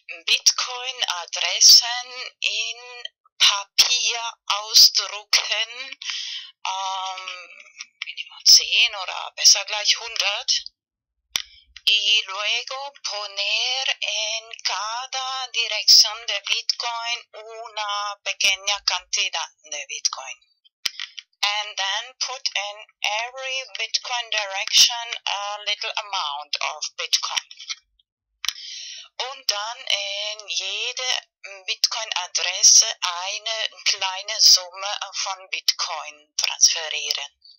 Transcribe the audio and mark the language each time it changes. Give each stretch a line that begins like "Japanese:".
German: Bitcoin Adressen in Papier ausdrucken, minimal 10 oder besser gleich 100.
Spanish: Y luego poner en cada dirección de Bitcoin una pequeña cantidad de Bitcoin.
English: And then put in every Bitcoin direction a little amount of Bitcoin.
German: Und dann in jede Bitcoin-Adresse eine kleine Summe von Bitcoin transferieren.